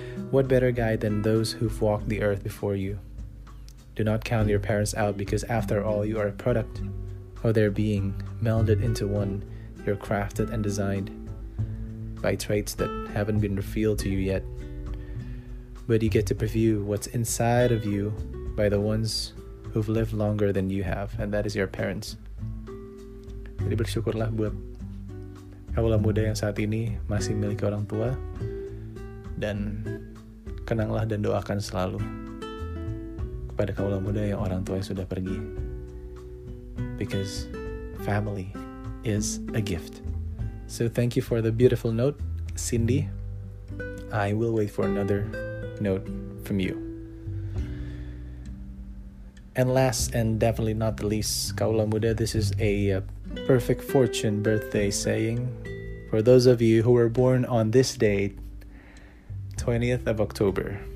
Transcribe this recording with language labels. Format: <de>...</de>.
<en>What better guide than those who've walked the earth before you? Do not count your parents out, because after all, you are a product of their being, melded into one. You're crafted and designed by traits that haven't been revealed to you yet. But you get to preview what's inside of you by the ones who've lived longer than you have, and that is your parents.</en> <id>Jadi bersyukurlah buat kaula muda yang saat ini masih miliki orang tua, dan kenanglah dan doakan selalu kepada kaula muda yang orang tua yang sudah pergi.</id> <en>Because family is a gift. So thank you for the beautiful note, Cindy. I will wait for another note from you. And last and definitely not the least, Kaula Muda, this is a perfect fortune birthday saying for those of you who were born on this day, 20th of October.</en>